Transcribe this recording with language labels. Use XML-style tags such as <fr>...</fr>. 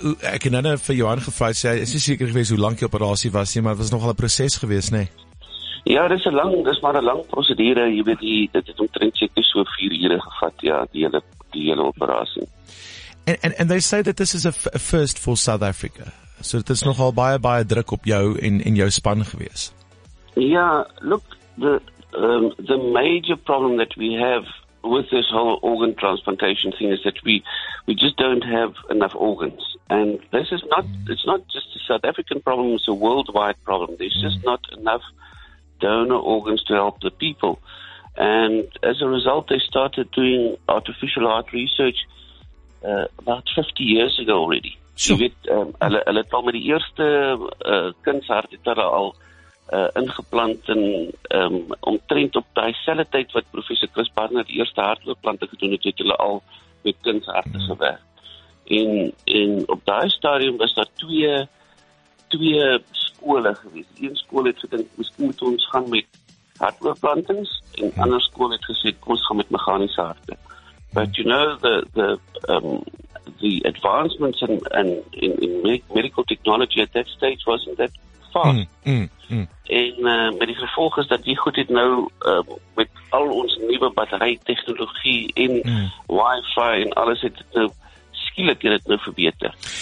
<af>Ek het nou vir Johan gevra, sê hy, is jy seker geweest hoe lank die operasie was nie, maar het was nogal 'n proses geweest, nê? Ja, dis maar 'n lang prosedure. Jy weet, dit het omtrent seker so 4 ure gevat, ja, die hele operasie.</af> <en>And they say that this is a first for South Africa.</en> <af>So dit is nogal baie baie druk op jou en jou span geweest.</af> <en>Ja, look, the major problem that we have with this whole organ transplantation thing is that we just don't have enough organs. And this is not, it's not just a South African problem, it's a worldwide problem. There's just not enough donor organs to help the people. And as a result, they started doing artificial heart research about 50 years ago already. Sure.</en> <af>Hulle het al met die eerste kindshart het hulle al ingeplant en omtrent op die selfde tyd wat professor Chris Barnard die eerste hartoortplante gedoen het, het hulle al met kunsharte gewerk. En op die stadium was daar twee skole gewees. Een skool het gedink, miskien moet ons gaan met hartoortplantings, en ander skool het gesê, ons gaan met meganiese harte.</af> <en>But you know, the advancements in medical technology at that stage wasn't that fast.</en> <af>En met die gevolg is dat die goed het nou met al ons nieuwe batterijtechnologie en wifi en alles het nou skielik en het nou verbeter.</af>